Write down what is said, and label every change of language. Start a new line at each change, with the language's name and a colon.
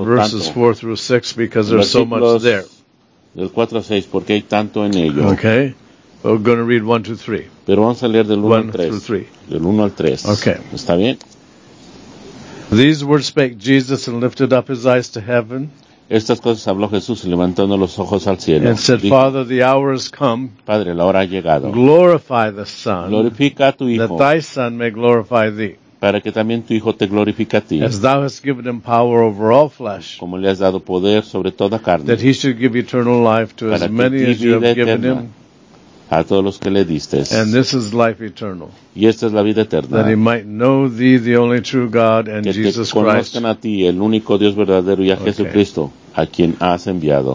English: on verses 4 through 6 because there's so much there.
Spanish: Del 4 a 6, porque hay tanto en ello.
English: Okay. We're going to read 1 to 3.
Spanish: Pero vamos a leer del 1 al 3. Del 1 al 3.
English: Okay.
Spanish: ¿Está bien?
English: These words spake Jesus and lifted up his eyes to heaven.
Spanish: Estas cosas habló Jesús levantando los ojos al cielo.
English: And said,
Spanish: dijo,
English: Father, the hour has come.
Spanish: Padre, la hora ha llegado.
English: Glorify the Son.
Spanish: Glorifica a tu Hijo.
English: That thy Son may glorify thee.
Spanish: Para que también tu Hijo te glorifique a ti.
English: As thou hast given him power over all flesh.
Spanish: Como le has dado poder sobre toda carne.
English: That he should give eternal life to as many as you have given him.
Spanish: A todos los que le diste.
English: And this is life eternal.
Spanish: Y esta es la vida eterna.
English: That he might know thee, the only true God, and Jesus Christ.
Spanish: Que te conozcan a ti, el único Dios verdadero, y a Jesucristo, a quien has enviado.